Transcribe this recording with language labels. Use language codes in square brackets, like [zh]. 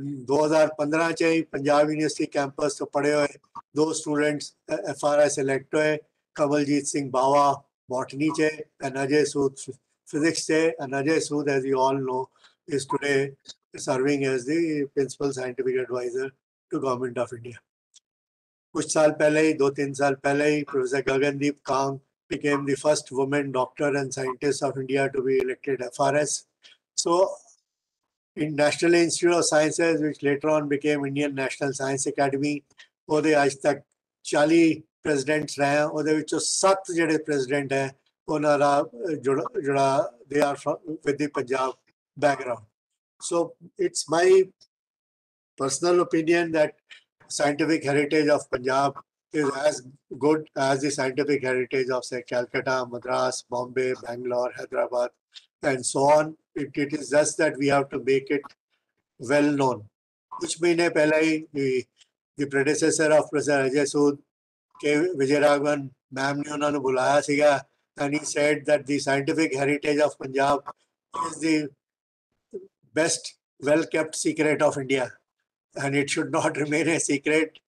[pa] 2015 'ਚ ਹੀ Punjab university campus ਤੋਂ ਪੜ੍ਹੇ ਹੋਏ ਦੋ students F R S elect ਹੋਏ ਕਮਲਜੀਤ ਸਿੰਘ ਬਾਵਾ ਬੋਟਨੀ 'ਚ and Ajay Sood [en] physics day and Ajay Sood, as you all know, is today serving as the principal scientific advisor to Government of India. [hi] Kuch saal pehle hi, [en] 2-3 saal pehle hi, Professor Gagandeep Kang became the first woman doctor and scientist of India to be elected FRS. So in National Institute of Sciences, which later on became Indian National Science Academy. [pa] ਉਹਦੇ ਅੱਜ ਤੱਕ 40 presidents ਰਹੇ ਹਾਂ, ਉਹਦੇ ਵਿੱਚੋਂ 7 ਜਿਹੜੇ president ਹੈ ਉਹਨਾਂ ਦਾ ਜਿਹੜਾ [en] they are with the [pa] Punjab background. [en] So it's my personal opinion that scientific heritage of Punjab is as good as the scientific heritage of say Calcutta, Madras, Bombay, Bangalore, Hyderabad and so on. It is just that we have to make it well known. [pa] ਕੁਛ ਮਹੀਨੇ ਪਹਿਲਾਂ ਹੀ [en] the predecessor of Professor Ajay Sood, K. Vijayaraghavan, [pa] ma'am ne unhan nu bulaya siga, [en] and he said that the scientific heritage of Punjab is the best well kept secret of India and it should not remain a secret.